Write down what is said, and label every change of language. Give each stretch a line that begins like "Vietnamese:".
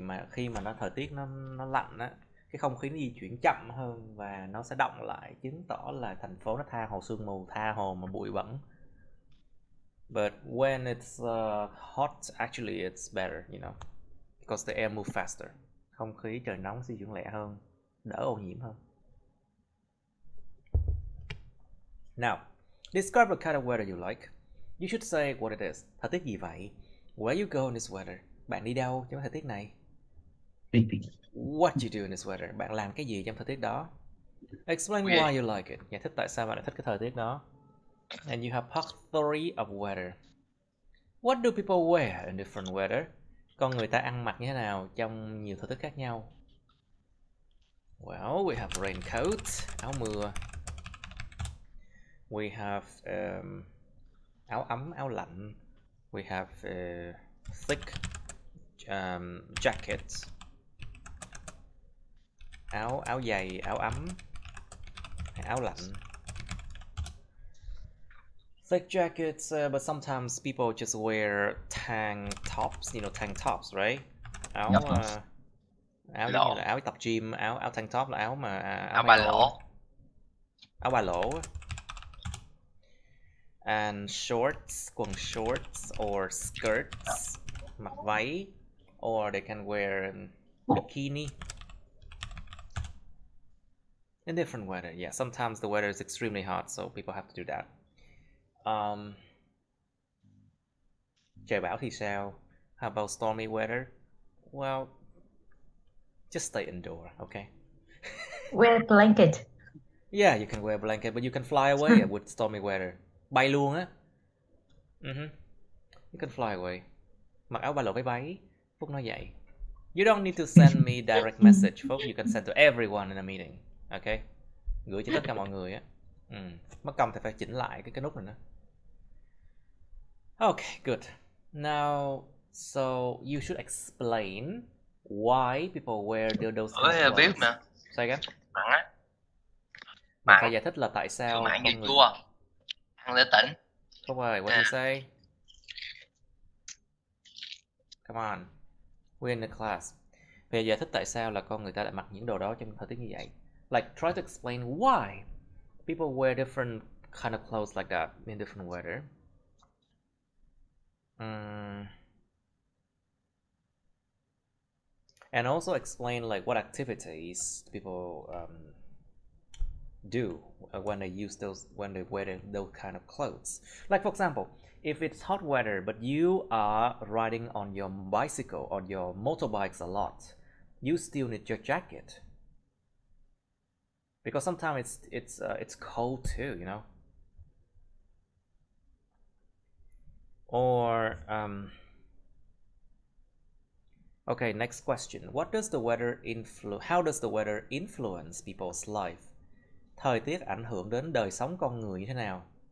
Vietnamese: Khi mà nó thời tiết nó lạnh á, cái không khí nó di chuyển chậm hơn và nó sẽ động lại, chứng tỏ là thành phố nó tha hồ sương mù, tha hồ mà bụi bẩn.
English: But when it's hot, actually it's better, you know, because the air moves faster.
Vietnamese: Không khí trời nóng di chuyển lẹ hơn, đỡ ô nhiễm hơn.
English: Now, describe the kind of weather you like. You should say what it is.
Vietnamese: Thời tiết gì vậy?
English: Where you go in this weather?
Vietnamese: Bạn đi đâu trong thời tiết này?
English: What you do in this weather?
Vietnamese: Bạn làm cái gì trong thời tiết đó?
English: Explain why you like it.
Vietnamese: Giải thích tại sao bạn lại thích cái thời tiết đó.
English: And you have part 3 of weather. What do people wear in different weather?
Vietnamese: Con người ta ăn mặc như thế nào trong nhiều thời tiết khác nhau?
English: Well, we have raincoat,
Vietnamese: áo mưa.
English: We have
Vietnamese: áo ấm, áo lạnh.
English: We have a thick jacket.
Vietnamese: Áo áo dày, áo ấm. Hay áo lạnh.
English: Thick jackets, but sometimes people just wear tank tops, you know, tank tops, right?
Vietnamese: Áo áo như là áo tập gym, áo áo tank top là áo mà áo ba lỗ. Áo ba lỗ.
English: And shorts, quần shorts or skirts,
Vietnamese: mặc váy,
English: or they can wear bikini. In different weather, yeah. Sometimes the weather is extremely hot, so people have to do that.
Vietnamese: Trời bão thì sao?
English: How about stormy weather? Well, just stay indoor, okay? Wear a blanket. Yeah, you can wear a blanket, but you can fly away with stormy weather.
Vietnamese: Bay luôn á.
English: You can fly away.
Vietnamese: Mặc áo ba lỗ với váy. Phúc nói vậy.
English: You don't need to send me direct message, Phúc. You can send to everyone in a meeting. Okay?
Vietnamese: Gửi cho tất cả mọi người á. Mất công thì phải chỉnh lại cái nút này nữa.
English: Okay, good. Now, so you should explain why people wear those clothes. Ôi, clothes.
Vietnamese: Biết mà. Sao again? Mặn á. Mặn. Phải giải thích là tại sao mặn người... chua. Ăn để tỉnh.
English: Phúc ơi, what do you say? Come on. We're in the class.
Vietnamese: Phải giải thích tại sao là con người ta lại mặc những đồ đó trong thời tiết như vậy.
English: Like, try to explain why people wear different kind of clothes like that in different weather. And also explain like what activities people do when they use those when they wear those kind of clothes. Like for example, if it's hot weather but you are riding on your bicycle or your motorbikes a lot, you still need your jacket. Because sometimes it's cold too, you know. Or okay, next question. What does the weather how does the weather influence people's life?
Vietnamese: Thời tiết ảnh hưởng đến đời sống con người như thế nào?